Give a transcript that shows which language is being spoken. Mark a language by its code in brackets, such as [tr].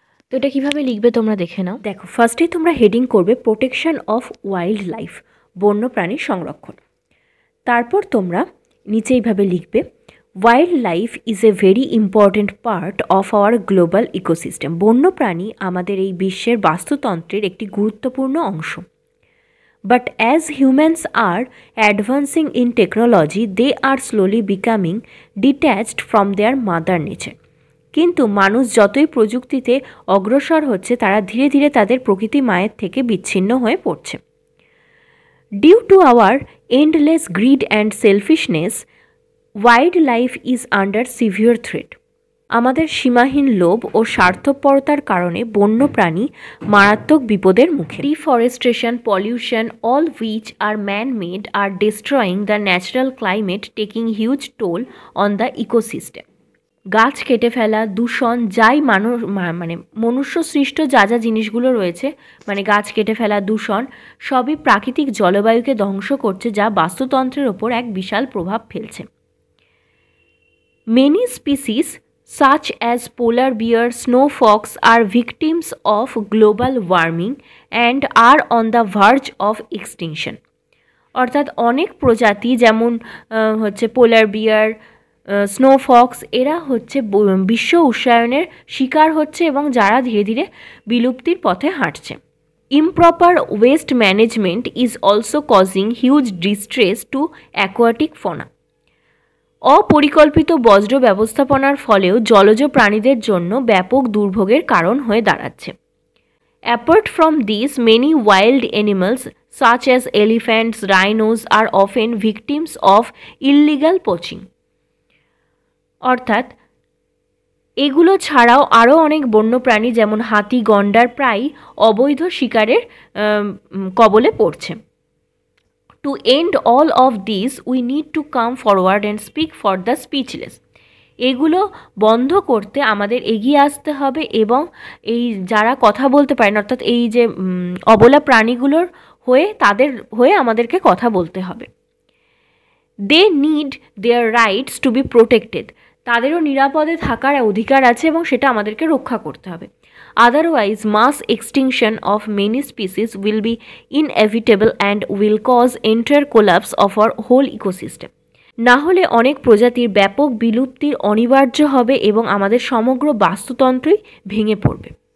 [bn] তো এটা কীভাবে লিখবে তোমরা দেখে নাও। দেখো ফার্স্টেই তোমরা হেডিং করবে [en] protection of wild life, [bn] বন্য প্রাণীর সংরক্ষণ। তারপর তোমরা নিচে এইভাবে লিখবে, [en] Wild life is a very important part of our global ecosystem. [bn] বন্য প্রাণী আমাদের এই বিশ্বের বাস্তুতন্ত্রের একটি গুরুত্বপূর্ণ অংশ। [en] But as humans are advancing in technology, they are slowly becoming detached from their mother nature. [bn] কিন্তু মানুষ যতই প্রযুক্তিতে অগ্রসর হচ্ছে, তারা ধীরে ধীরে তাদের প্রকৃতি মায়ের থেকে বিচ্ছিন্ন হয়ে পড়ছে। [en] Due to our endless greed and selfishness, wildlife is under severe threat. [bn] আমাদের সীমাহীন লোভ ও স্বার্থপরতার কারণে বন্য প্রাণী মারাত্মক বিপদের মুখে। [en] Deforestation, pollution, all which are man made are destroying the natural climate, taking huge toll on the ecosystem. [bn] গাছ কেটে ফেলা, দূষণ, যাই মানুষ মানে মনুষ্য সৃষ্ট যা যা জিনিসগুলো রয়েছে, মানে গাছ কেটে ফেলা, দূষণ, সবই প্রাকৃতিক জলবায়ুকে ধ্বংস করছে, যা বাস্তুতন্ত্রের ওপর এক বিশাল প্রভাব ফেলছে। [en] Many species such as polar bear, snow fox are victims of global warming and are on the verge of extinction. [bn] অর্থাৎ অনেক প্রজাতি যেমন হচ্ছে পোলার বিয়ার, স্নো ফক্স, এরা হচ্ছে বিশ্ব উষ্ণায়নের শিকার হচ্ছে এবং যারা ধীরে ধীরে বিলুপ্তির পথে হাঁটছে। [en] Improper waste management is also causing huge distress to aquatic fauna. [bn] অপরিকল্পিত বর্জ্য ব্যবস্থাপনার ফলেও জলজ প্রাণীদের জন্য ব্যাপক দুর্ভোগের কারণ হয়ে দাঁড়াচ্ছে। [en] Apart from this, many wild animals such as elephants, rhinos are often victims of illegal poaching. [bn] অর্থাৎ এগুলো ছাড়াও আরও অনেক বন্যপ্রাণী যেমন হাতি, গন্ডার প্রায়ই অবৈধ শিকারের কবলে পড়ছে। [en] To end all of this, we need to come forward and speak for the speechless. [bn] এগুলো বন্ধ করতে আমাদের এগিয়ে আসতে হবে এবং এই যারা কথা বলতে পারেন, অর্থাৎ এই যে অবলা প্রাণীগুলোর হয়ে তাদের হয়ে আমাদেরকে কথা বলতে হবে। [en] They need their rights to be protected. [bn] তাদেরও নিরাপদে থাকার অধিকার আছে এবং সেটা আমাদেরকে রক্ষা করতে হবে। [en] Otherwise, mass extinction of many species will be inevitable and will cause entire collapse of our whole ecosystem. [bn] না হলে অনেক প্রজাতির ব্যাপক বিলুপ্তির অনিবার্য হবে এবং আমাদের সমগ্র বাস্তুতন্ত্রই ভেঙে পড়বে।